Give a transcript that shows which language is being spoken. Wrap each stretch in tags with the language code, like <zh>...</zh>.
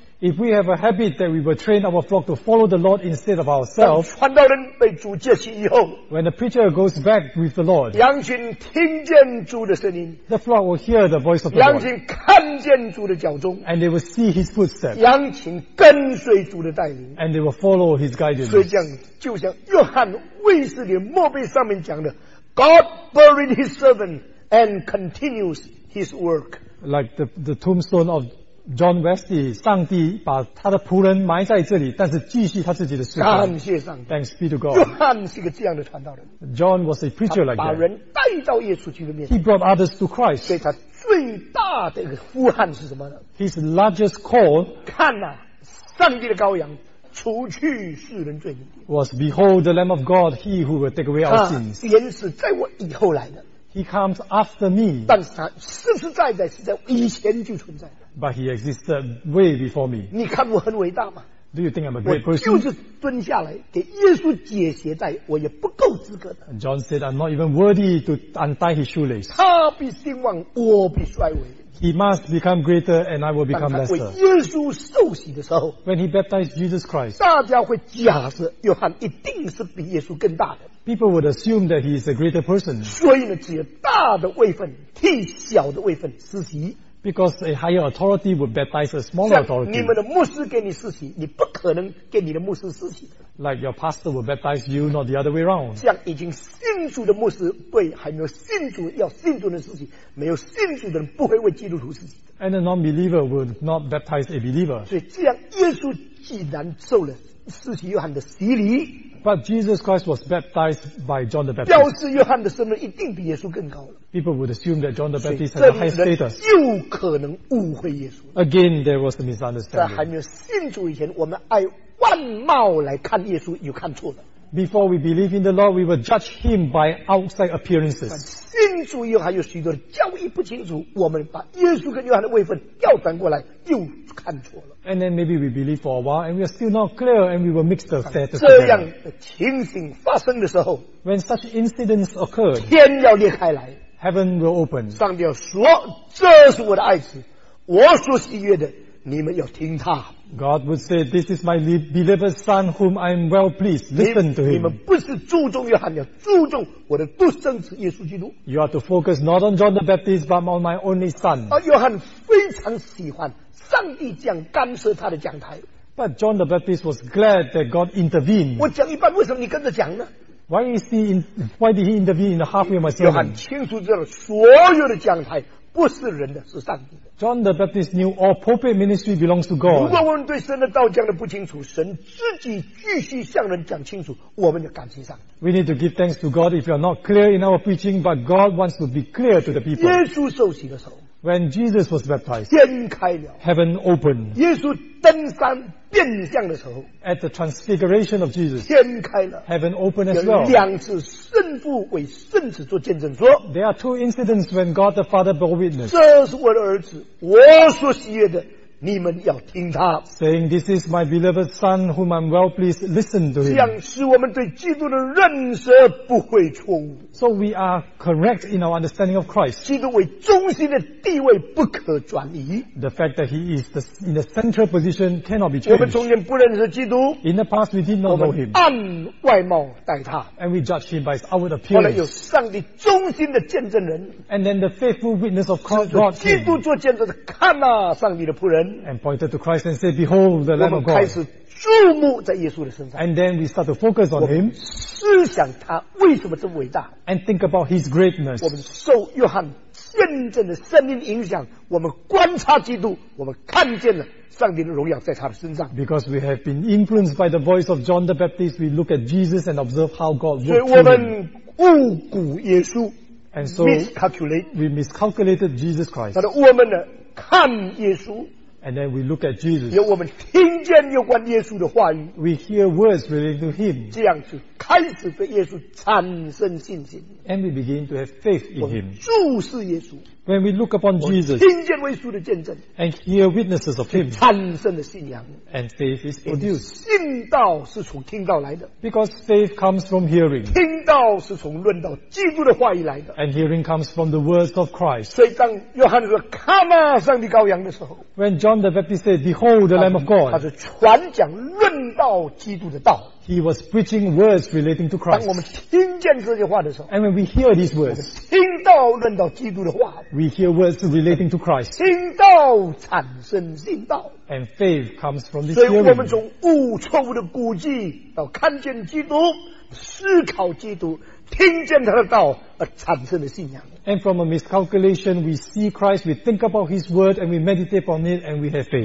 <en>If we have a habit that we will train our flock to follow the Lord instead of ourselves,</en> <zh>传道人被主接去以后，</zh> <en>when the preacher goes back with the Lord,</en> <zh>羊群听见主的声音，</zh> <en>the flock will hear the voice of the</en> <zh>羊群看见主的脚踪，</zh> <en>and they will see his footsteps,</en> <zh>羊群跟随主的带领，</zh> <en>and they will follow his guidance.</en> <zh>所以这样，就像约翰卫斯理默碑上面讲的，</zh> <en>God buried his servant and continues his work. Like the tombstone of John Wesley,</en> <zh>上帝把他的仆人埋在这里，但是继续他自己的事。感谢上帝。</zh> <en>Thanks be to God.</en> <zh>John 是一个这样的传道人。</zh> <en>John was a preacher like that.</en> <zh>把人带到耶稣基督的面前。</zh> <en>He brought others to Christ.</en> <zh>所以他最大的一个呼喊是什么呢？</zh> <en>His largest call,</en> <zh>看啊，上帝的羔羊，除去世人罪孽。</zh> <en>Was behold the Lamb of God, He who will take away our sins.</en> <zh>原是在我以后来的。</zh> <en>He comes after me.</en> <zh>但是他实实在在是在以前就存在的。</zh> <en>But he existed way before me.</en> <zh>你看我很伟大吗？</zh> <en>Do you think I'm a great person?</en> <zh>我就是蹲下来给耶稣解鞋带，我也不够资格的。</zh> <en>John said, I'm not even worthy to untie his shoelace.</en> <zh>他必兴旺，我必衰微。</zh> <en>He must become greater and I will become lesser.</en> <zh>当他为耶稣受洗的时候，</zh> <en>When he baptized Jesus Christ,</en> <zh>大家会假设约翰一定是比耶稣更大的。</zh> <en>People would assume that he is a greater person.</en> <zh>所以呢，借大的位分替小的位分施洗。</zh> <en>Because a higher authority would baptize a smaller authority.</en> <zh>你们的牧师给你施洗，你不可能给你的牧师施洗。</zh> <en>Like your pastor will baptize you, not the other way around.</en> <zh>这样已经信主的牧师对还没有信主要信主的施洗，没有信主的人不会为基督徒施洗。</zh> <en>And a non-believer would not baptize a believer.</en> <zh>所以这样，耶稣既然受了施洗约翰的洗礼。</zh> <en>But Jesus Christ was baptized by John the Baptist.</en> <zh>表示约翰的身份一定比耶稣更高了。</zh> <en>People would assume that John the Baptist had a high status.</en> <zh>又可能误会耶稣。</zh> <en>Again, there was a misunderstanding.</en> <zh>在还没有信主以前，我们爱外貌来看耶稣，有看错了。</zh> <en>Before we believe in the Lord, we will judge him by outside appearances.</en> <zh>信主以后还有许多的教义不清楚，我们把耶稣跟约翰的位分调转过来，又看错了。</zh> <en>And then maybe we believe for a while, and we are still not clear, and we will mix the status</en> <zh>together. 这样的情形发生的时候，</zh> <en>when such incidents occur,</en> <zh>天要裂开来，</zh> <en>heaven will open.</en> <zh>上帝要说，这是我的爱子，我所喜悦的，你们要听他。</zh> <en>God would say, this is my beloved son whom I am well pleased. Listen to him.</en> <zh>你们不是注重约翰，要注重我的独生子耶稣基督。</zh> <en>You are to focus not on John the Baptist, but on my only son.</en> <zh>而约翰非常喜欢上帝这样干涉他的讲台。</zh> <en>But John the Baptist was glad that God intervened.</en> <zh>我讲一半，为什么你跟着讲呢？</zh> <en>Why did he intervene in the halfway of my sermon?</en> <zh>约翰清楚知道所有的讲台不是人的，是上帝的。</zh> <en>John the Baptist knew all pulpit ministry belongs to God.</en> <zh>如果我们对神的道讲的不清楚，神自己继续向人讲清楚，我们就感谢上帝。</zh> <en>We need to give thanks to God if you are not clear in our preaching, but God wants to be clear to the people.</en> <zh>耶稣受洗的时候，</zh> <en>when Jesus was baptized,</en> <zh>天开了，</zh> <en>heaven opened.</en> <zh>耶稣登山变相的时候，</zh> <en>at the transfiguration of Jesus,</en> <zh>天开了，</zh> <en>heaven opened as well.</en> <zh>有两次圣父为圣子做见证说，</zh> <en>there are two incidents when God the Father bore witness.</en> <zh>这是我的儿子，我所喜悦的，你们要听他。</zh> <en>Saying, this is my beloved son whom I'm well pleased, listen to him.</en> <zh>这样使我们对基督的认识不会错误。</zh> <en>So we are correct in our understanding of Christ.</en> <zh>基督为中心的地位不可转移。</zh> <en>The fact that he is in the central position cannot be changed.</en> <zh>我们从前不认识基督。</zh> <en>In the past, we did not know him.</en> <zh>我们按外貌待他。</zh> <en>And we judge him by his outward appearance.</en> <zh>后来有上帝中心的见证人。</zh> <en>And then the faithful witness of Christ brought</en> <zh>him. 基督做见证人，看啊，上帝的仆人。</zh> <en>And pointed to Christ and said, Behold the Lamb of God.</en> <zh>我们开始注目在耶稣的身上。</zh> <en>And then we start to focus on him.</en> <zh>思想他为什么这么伟大。</zh> <en>And think about his greatness.</en> <zh>我们受约翰见证的圣灵影响，我们观察基督，我们看见了上帝的荣耀在他的身上。</zh> <en>Because we have been influenced by the voice of John the Baptist, we look at Jesus and observe how God worked.</en> <zh>所以我们误估耶稣。</zh> <en>And so we miscalculated Jesus Christ.</en> <zh>但是我们呢，看耶稣。</zh> <en>And then we look at Jesus.</en> <zh>有我们听见有关耶稣的话语。</zh> <en>We hear words related to him.</en> <zh>这样就开始对耶稣产生信心。</zh> <en>And we begin to have faith in him.</en> <zh>注视耶稣。</zh> <en>When we look upon Jesus,</en> <zh>我听见耶稣的见证,</zh> <en>and hear witnesses of him,</en> <zh>产生的信仰,</zh> <en>and faith is produced.</en> <zh>信道是从听道来的,</zh> <en>because faith comes from hearing.</en> <zh>听道是从论道基督的话语来的,</zh> <en>and hearing comes from the words of Christ.</en> <zh>所以当约翰说, Come, 上帝羔羊的时候,</zh> <en>when John the Baptist said, Behold the Lamb of God,</en> <zh>他是传讲论道基督的道,</zh> <en>he was preaching words relating to Christ.</en> <zh>当我们听见这些话的时候,</zh> <en>and when we hear these words,</en> <zh>听道论道基督的话,</zh> <en>we hear words relating to Christ.</en> <zh>听道产生信道,</zh> <en>and faith comes from this hearing.</en> <zh>所以我们从误错误的估计到看见基督, 思考基督, 听见他的道,</zh> <en>and from a miscalculation, we see Christ, we think about his word, and we meditate upon it, and we have faith.</en>